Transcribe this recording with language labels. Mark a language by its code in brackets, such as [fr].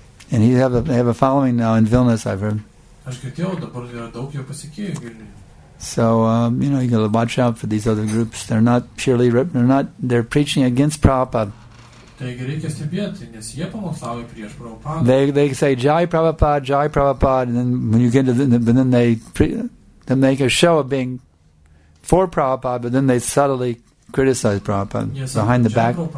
[en] And he have a following now in Vilnius, I've heard. [lt] Aš girdėjau, dabar yra daug jo pasikėjo Vilniuje. [en] So you know, you gotta watch out for these other groups. They're preaching against Prabhupada. [lt] Taigi, reikia stebėti, nes jie pamokslauja prieš Prabhupada. [en] They say Jai Prabhupada, and then when you get to then they make a show of being for Prabhupada, but then they subtly criticize Prabhupada behind the back.